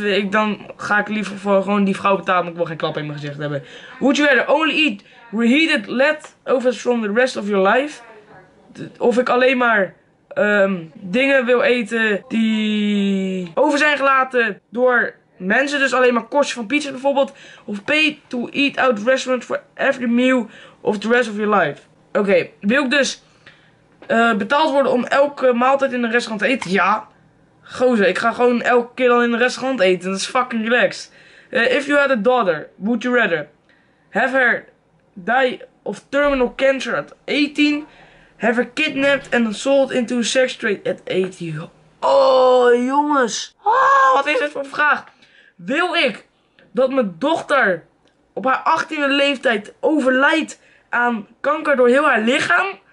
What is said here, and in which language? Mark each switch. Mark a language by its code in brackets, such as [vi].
[nl] Dan ga ik liever voor gewoon die vrouw betalen. Maar ik wil geen klap in mijn gezicht hebben. [en] Would you rather only eat reheated leftovers from the rest of your life? [nl] Of ik alleen maar... dingen wil eten die over zijn gelaten door mensen. Dus alleen maar korstjes van pizza bijvoorbeeld. [en] Of pay to eat out restaurant for every meal of the rest of your life. [nl] Oké, wil ik dus betaald worden om elke maaltijd in een restaurant te eten? Ja. Gozer, ik ga gewoon elke keer dan in een restaurant eten. Dat is fucking relaxed. [en] If you had a daughter, would you rather have her die of terminal cancer at 18... have her kidnapped and sold into a sex trade at 18. [nl] Oh, jongens. Oh, wat is dit voor vraag? Wil ik dat mijn dochter op haar 18e leeftijd overlijdt aan kanker door heel haar lichaam?